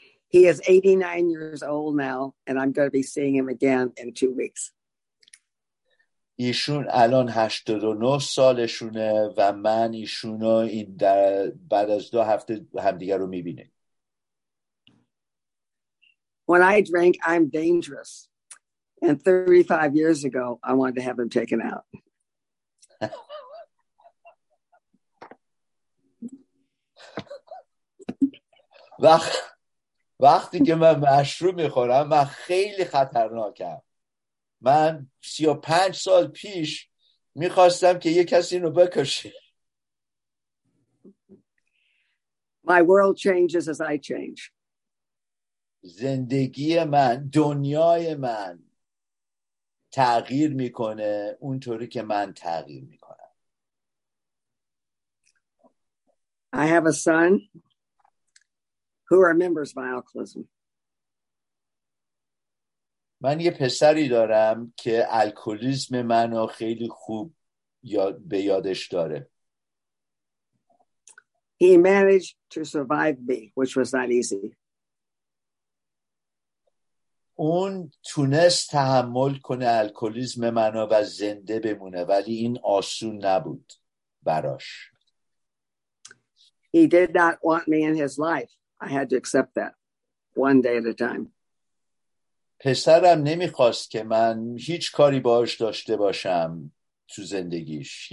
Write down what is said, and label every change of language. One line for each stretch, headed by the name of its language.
English: He is 89 years old now and I'm going to be seeing him again in 2 weeks.
Persian: ایشون الان 89 سالشونه و من ایشونو این بعد از 2 هفته همدیگر رو میبینیم.
English: When I drink, I'm dangerous. And 35 years ago, I wanted to have him taken out.
Persian: وقتی که من مشروب میخورم، من خیلی خطرناکم. من 35 سال پیش میخواستم که یه کسی رو بکشه.
English: My world changes as I change.
Persian: زندگی من، دنیای من تغییر میکنه اونطوری که من تغییر میکنم.
English: I have a son who remembers my alcoholism.
Persian: من یه پسری دارم که الکلیسم منو خیلی خوب به یادش داره.
English: He managed to survive me, which was not easy.
Persian: اون تونست تحمل کنه الکلیسم منو و زنده بمونه، ولی این آسون نبود براش.
English: He did not want me in his life. I had to accept that one day at a time.
Persian: پسرم نمیخواست که من هیچ کاری باهاش داشته باشم تو زندگیش.